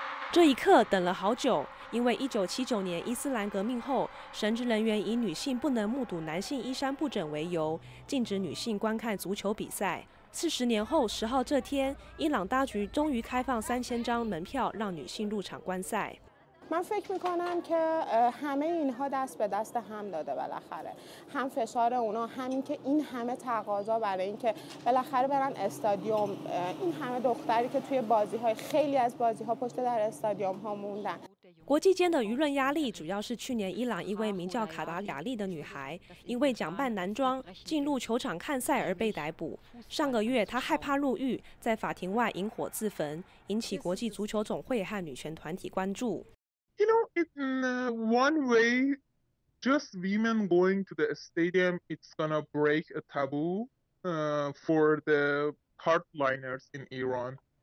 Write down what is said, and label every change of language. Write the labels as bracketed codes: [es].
[zh] 这一刻等了好久，因为1979年伊斯兰革命后，神职人员以女性不能目睹男性衣衫不整为由，禁止女性观看足球比赛。 40年后，10号这天，伊朗当局终于开放3000张门票，让女性入场观赛。 [fa] من فکر میکنم که همه اینها دست به دست هم داده بالاخره هم فشار اونا همین که این همه تقاضا برای اینکه بالاخره برن استادیوم این همه دختری که توی بازیهای خیلی از بازیها پشت در استادیوم ها موندن。 [zh] 国际间的舆论压力主要是去年伊朗一位名叫卡达雅利的女孩因为假扮男装进入球场看赛而被逮捕。上个月她害怕入狱，在法庭外引火自焚，引起国际足球总会和女权团体关注。 [en] You know, in one way, just women going to the stadium, it's gonna break a taboo for the hardliners in Iran.